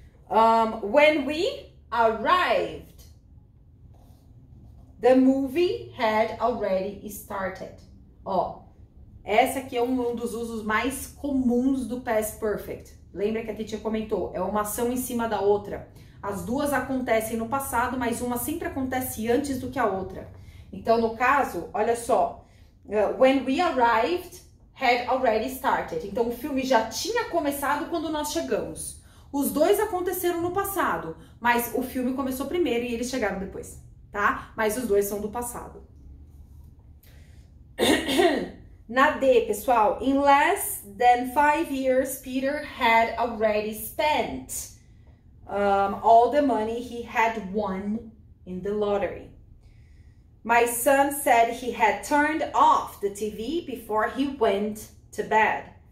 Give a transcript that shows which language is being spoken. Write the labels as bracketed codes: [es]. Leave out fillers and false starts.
[en] When we arrived, the movie had already started. Oh. [pt] Essa aqui é um dos usos mais comuns do past perfect. Lembra que a Titia comentou, é uma ação em cima da outra. As duas acontecem no passado, mas uma sempre acontece antes do que a outra. Então, no caso, olha só. [en] When we arrived, had already started. [pt] Então, o filme já tinha começado quando nós chegamos. Os dois aconteceram no passado, mas o filme começou primeiro e eles chegaram depois, tá? Mas os dois são do passado. Na D, pessoal, [en] in less than 5 years, Peter had already spent all the money he had won in the lottery. My son said he had turned off the TV before he went to bed.